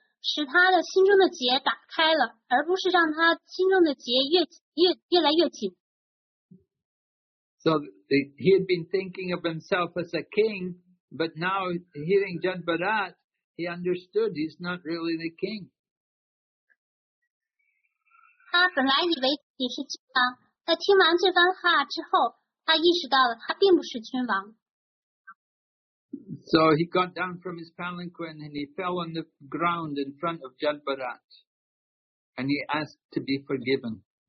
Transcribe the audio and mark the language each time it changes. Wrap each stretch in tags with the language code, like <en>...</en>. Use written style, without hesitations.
<zh>使他的心中的结打开了，而不是让他心中的结越来越紧。</zh> <en>So he had been thinking of himself as a king, but now hearing Jadbarat, he understood he's not really the king.</en> <zh>他本来以为自己是君王，在听完这番话之后，他意识到了他并不是君王。</zh> <en>So he got down from his palanquin and he fell on the ground in front of Jadbarat and he asked to be forgiven.</en>